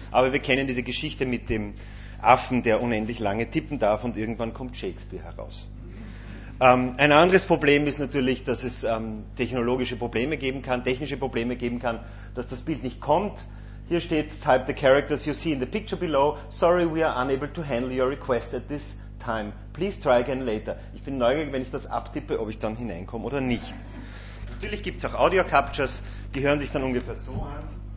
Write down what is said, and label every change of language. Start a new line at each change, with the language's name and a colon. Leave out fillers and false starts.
German: Aber wir kennen diese Geschichte mit dem Affen, der unendlich lange tippen darf und irgendwann kommt Shakespeare heraus. Ein anderes Problem ist natürlich, dass es technologische Probleme geben kann, technische Probleme geben kann, dass das Bild nicht kommt. Hier steht,
English: type the characters you see in the picture below. Sorry, we are unable to handle your request at this time. Please try again later.
German: Ich bin neugierig, wenn ich das abtippe, ob ich dann hineinkomme oder nicht. Natürlich gibt es auch Audio-Captures, die hören sich dann ungefähr so an.